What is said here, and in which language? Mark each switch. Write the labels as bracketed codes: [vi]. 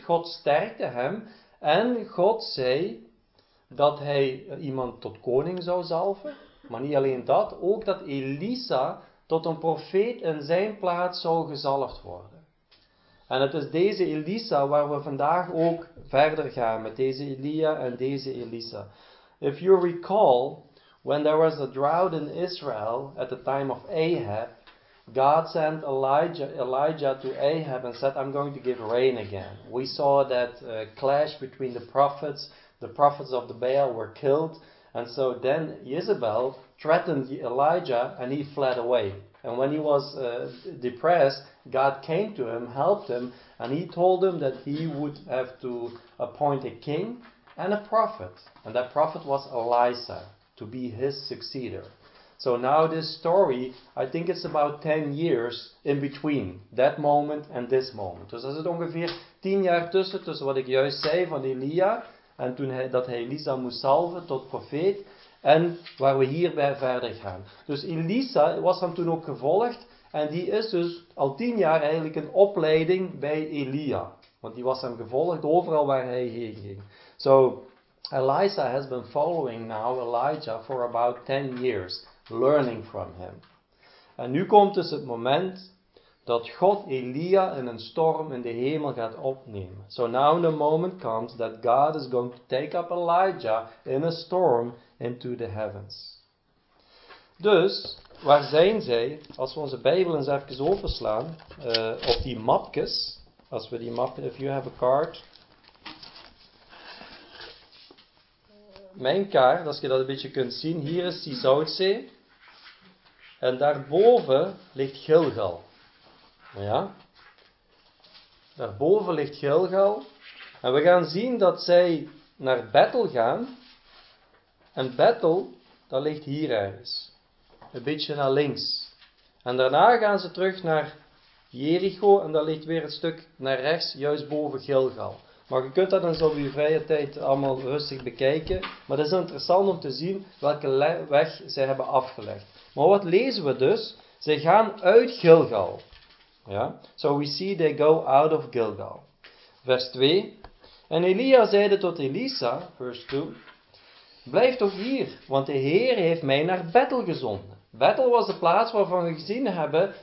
[nl] God sterkte hem. En God zei dat hij iemand tot koning zou zalven. Maar niet alleen dat, ook dat Elisa tot een profeet in zijn plaats zou gezalfd worden. En het is deze Elisa waar we vandaag ook verder gaan met deze Elia en deze Elisa. [en] If you recall, when there was a drought in Israel at the time of Ahab, God sent Elijah to Ahab and said, I'm going to give rain again. We saw that clash between the prophets of the Baal were killed. And so then Jezebel threatened Elijah and he fled away. And when he was depressed, God came to him, helped him, and he told him that he would have to appoint a king and a prophet. And that prophet was Elisha, to be his successor. So now this story, I think it's about 10 years in between that moment and this moment. [nl] Dus er zit ongeveer 10 jaar tussen wat ik juist zei van Elia, en toen hij, dat hij Elisa moest salven tot profeet, en waar we hierbij verder gaan. Dus Elisa was hem toen ook gevolgd, en die is dus al 10 jaar eigenlijk een opleiding bij Elia. Want die was hem gevolgd overal waar hij heen ging. [en] So, Elisha has been following now Elijah for about 10 years, learning from him. [nl] En nu komt dus het moment dat God Elia in een storm in de hemel gaat opnemen. [en] So now the moment comes that God is going to take up Elijah in a storm into the heavens. [nl] Dus, waar zijn zij? Als we onze Bijbel eens even overslaan, op die mapjes, als we die mapjes, [en] if you have a card, [nl] mijn kaart, als je dat een beetje kunt zien, hier is die Zoutzee. En daarboven ligt Gilgal. Ja? Daarboven ligt Gilgal. En we gaan zien dat zij naar Bethel gaan. En Bethel, dat ligt hier ergens. Een beetje naar links. En daarna gaan ze terug naar Jericho. En dat ligt weer een stuk naar rechts, juist boven Gilgal. Maar je kunt dat dan zo op je vrije tijd allemaal rustig bekijken. Maar het is interessant om te zien welke weg zij hebben afgelegd. Maar wat lezen we dus? Zij gaan uit Gilgal. Ja? [en] So we see they go out of Gilgal. [nl] Vers 2. En Elia zeide tot Elisa, vers 2. Blijf toch hier, want de Heer heeft mij naar Bethel gezonden. Bethel was de plaats waarvan we gezien hebben.